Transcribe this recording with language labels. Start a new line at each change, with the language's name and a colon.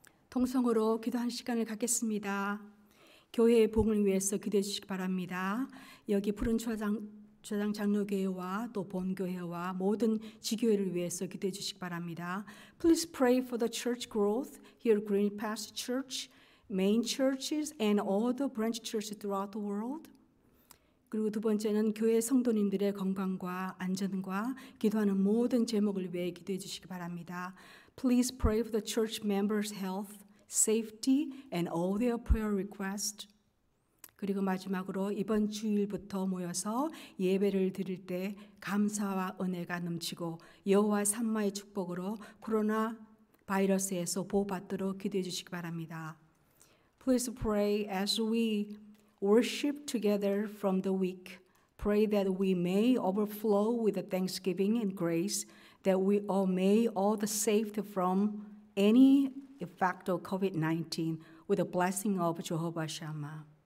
Korean: 통성으로 기도한 시간을 갖겠습니다. 교회의 복음을 위해서 기도해 주시기 바랍니다. 여기 푸른 초장 장로교회와 또 본교회와 모든 지교회를 위해서 기도해 주시기 바랍니다.
English: Please pray for the church growth here at Green Pass Church, main churches and all the branch churches throughout the world.
Korean: 그리고 두 번째는 교회 성도님들의 건강과 안전과 기도하는 모든 제목을 위해 기도해 주시기 바랍니다.
English: Please pray for the church members' health, safety and all their prayer requests.
Korean: 그리고 마지막으로 이번 주일부터 모여서 예배를 드릴 때 감사와 은혜가 넘치고 여호와 산마의 축복으로 코로나 바이러스에서 보호받도록 기도해 주시기 바랍니다.
English: Please pray as we worship together from the week. Pray that we may overflow with thanksgiving and grace, that we all may all the saved from any effect of COVID-19 with the blessing of Jehovah Shammah.